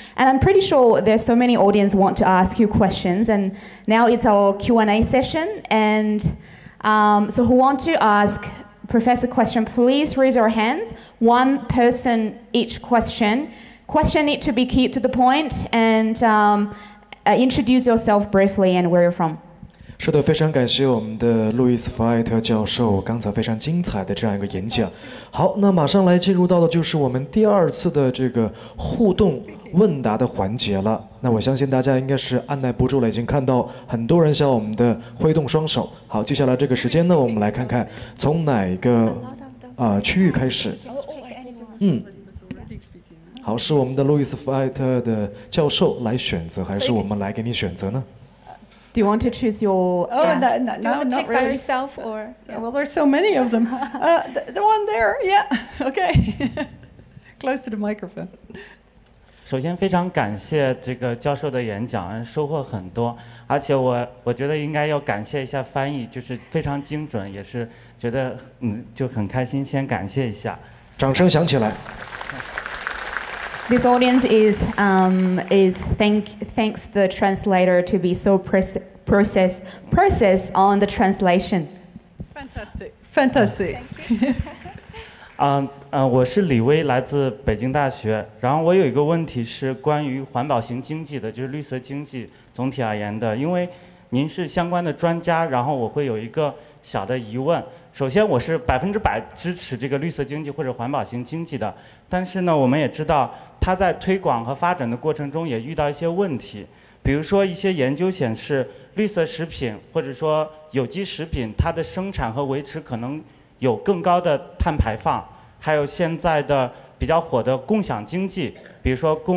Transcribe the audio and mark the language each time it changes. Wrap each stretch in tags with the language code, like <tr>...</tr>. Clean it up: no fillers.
<en>And I'm pretty sure there's so many audience want to ask you questions, and now it's our Q&A session. And so who want to ask Professor question, please raise your hands. One person each question. Question need to be key to the point, and introduce yourself briefly and where you're from.</en> <zh>是的，非常感谢我们的路易斯·弗艾特教授刚才非常精彩的这样一个演讲。好，那马上来进入到的就是我们第二次的这个互动问答的环节了。那我相信大家应该是按捺不住了，已经看到很多人向我们的挥动双手。好，接下来这个时间呢，我们来看看从哪一个区域开始。好，是我们的路易斯·弗艾特的教授来选择，还是我们来给你选择呢？</zh> <en>Do you want to choose your? Do you want to pick by yourself or? Yeah. Well, there's so many of them. The one there, yeah. Okay. Close to the microphone.</en> <zh>首先，非常感谢这个教授的演讲，收获很多。而且我觉得应该要感谢一下翻译，就是非常精准，也是觉得就很开心。先感谢一下。掌声响起来。</zh> <en>This audience thanks the translator to be so precise on the translation. Fantastic. Thank you.</en> <zh>我是李威，来自北京大学。然后我有一个问题是关于环保型经济的，就是绿色经济总体而言的。因为您是相关的专家，然后我会有一个小的疑问。首先，我是100%支持这个绿色经济或者环保型经济的，但是呢，我们也知道它在推广和发展的过程中也遇到一些问题，比如说一些研究显示，绿色食品或者说有机食品，它的生产和维持可能有更高的碳排放，还有现在的比较火的共享经济，比如说</zh>